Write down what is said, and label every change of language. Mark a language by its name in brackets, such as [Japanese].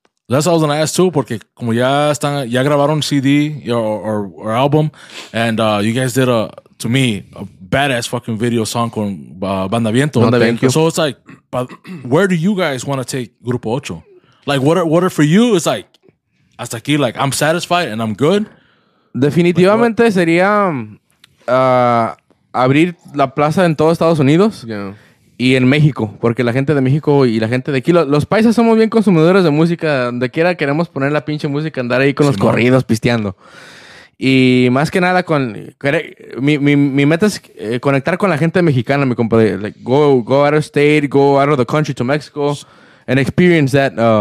[English] That's what I was going to ask, too, [Spanish] porque como ya grabaron CD [English] or album, and you guys did, to me, a badass fucking video song [Spanish] con Banda Viento. [English] Banda Viento. So it's like, where do you guys want to take Grupo Ocho? Like, what are for you? It's like, [Spanish] hasta aquí, [English] like, I'm satisfied and I'm good. [Spanish] Definitivamente like sería abrir la plaza en todo Estados Unidos. [English] Yeah. [Spanish] Y en México, porque la gente de México y la gente de aquí, los paisas somos bien consumidores de música, donde quiera queremos poner la pinche música, andar ahí con los corridos pisteando. Y más que nada, mi meta es conectar con la gente mexicana, mi compadre. [English] Like, go out of state, go out of the country to Mexico and experience that.